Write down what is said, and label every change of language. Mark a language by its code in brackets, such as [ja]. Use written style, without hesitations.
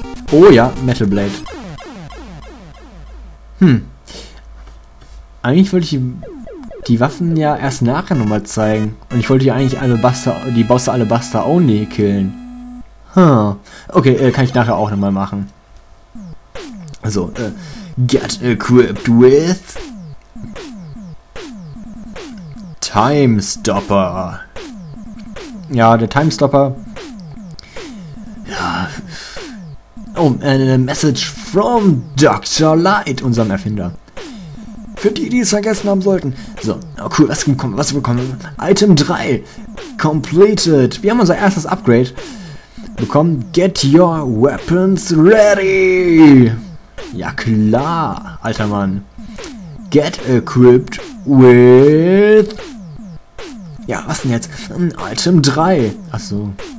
[de] Oh ja, Metal Blade. Hm. Eigentlich wollte ich die Waffen ja erst nachher nochmal zeigen. Und ich wollte ja eigentlich alle Buster, die Bosse alle Buster only killen. Okay, kann ich nachher auch nochmal machen. [en] Also, get equipped with Time Stopper. [de] Ja, der Time Stopper. Ja. Oh, eine Message from Dr. Light, unserem Erfinder. Für die, die es vergessen haben sollten. So, oh cool, was bekommen wir? [en] Item 3 completed. [de] Wir haben unser erstes Upgrade bekommen. [en] Get your weapons ready. [de] Ja klar, alter Mann. [en] Get equipped with... [de] Ja, was denn jetzt? Item 3. Achso.